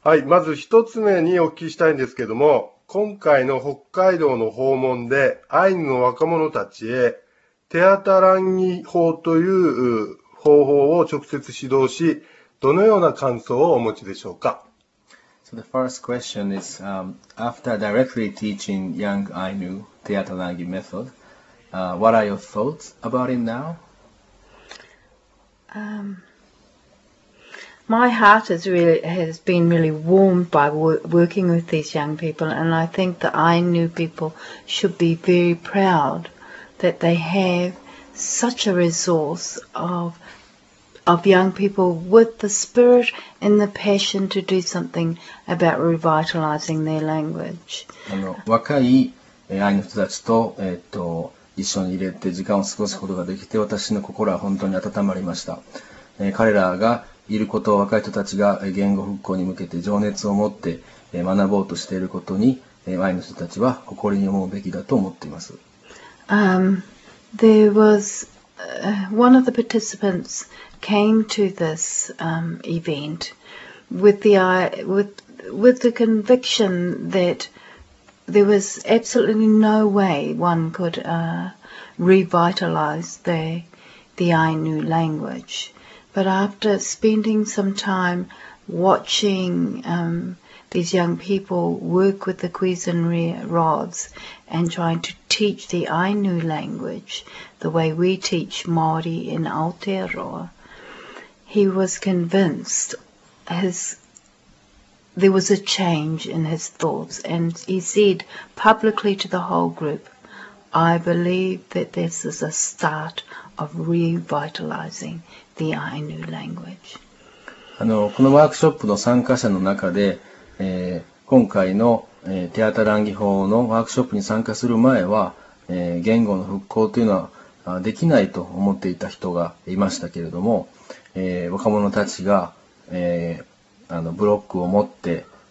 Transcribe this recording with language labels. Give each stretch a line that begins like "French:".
Japanese: はい、まず一つ目にお聞きしたいんですけども、今回の北海道の訪問でアイヌの若者たちへテアタランギ法という方法を直接指導し、どのような感想をお持ちでしょうか。
English: So the first question is, after directly teaching young Ainu テアタランギ method, what are your thoughts about it now? My heart has been really warmed by working with these young people, and I think the Ainu people should be very proud that they have such a resource of young people with the spirit and the passion to do something about revitalizing their language.
Japanese: 若いアイヌ人たちと、一緒に入れて時間を過ごすことができて、私の心は本当に温まりました。彼らがいることを、若い人たちが言語復興に向けて情熱を持って学ぼうとしていることに、アイヌ人たちは誇りに思うべきだと思っています。
English: There was one of the participants came to this event with the conviction that there was absolutely no way one could revitalize the Ainu language. But after spending some time watching these young people work with the cuisinary rods and trying to teach the Ainu language the way we teach Māori in Aotearoa, he was convinced there was a change in his thoughts, and he said publicly to the whole group, I believe that this is a start of revitalizing the Ainu language.
Japanese: このワークショップの参加者の中で、今回の、テアタランギ法のワークショップに参加する前は、言語の復興というのはできないと思っていた人がいましたけれども、若者たちが、ブロックを持って、